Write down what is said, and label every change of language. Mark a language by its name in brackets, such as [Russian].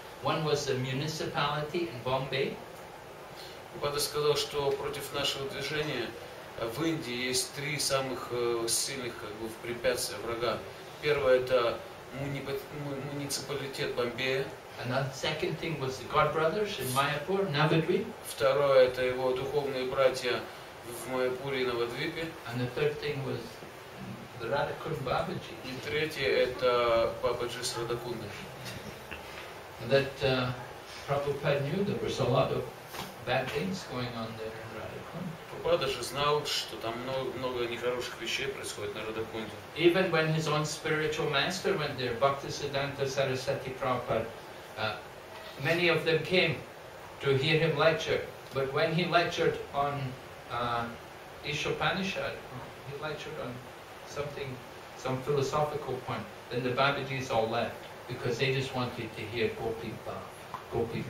[English] One was the municipality in Bombay. [Russian] Прабхупада сказал, что против нашего движения в Индии есть три самых сильных препятствия, врага. Первое – это муниципалитет Бомбея. [English] And the second thing was the God Brothers in Mayapur, Navadvip. [Russian] Второе – это его духовные братья в Майяпуре и Навадвипе. [English] And the third thing was the Radhakund Babaji. [Russian] И третье – это Бабаджи с Радхакунды. [English] That Prabhupada knew there was a lot of bad things going on there in Radhakund. [Russian] Прабхупада же знал, что там много нехороших вещей происходит на Радхакунде. [English] Even when his own spiritual master went there, Bhaktisiddhanta Sarasvati Prabhupada, many of them came to hear him lecture. But when he lectured on Ishopanishad, he lectured on something, some philosophical point, then the Babajis all left because they just wanted to hear Gopi Lila.